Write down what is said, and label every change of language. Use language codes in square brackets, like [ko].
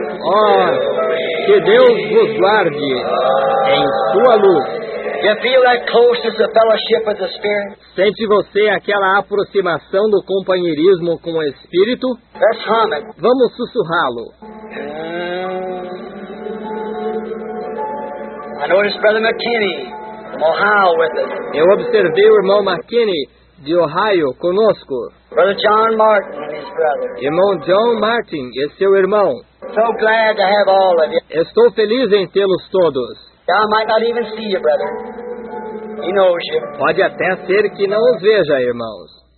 [pt] Oh, que Deus vos guarde em sua luz. [en] You feel that closeness of fellowship with the Spirit? [pt] Sente você aquela aproximação do companheirismo com o Espírito? [en] Let's hum it. [pt] Vamos sussurrá-lo. [en] I noticed Brother McKinney from Ohio with us. [pt] Eu observei o irmão McKinney de Ohio conosco. [en] Brother John Martin and his brother. [pt] Irmão John Martin e seu irmão. [en] So glad to have all of you. [pt] Estou feliz em tê-los todos. [en] I might not even see you, brother. He knows you. [pt] Pode até ser que não os veja, irmãos.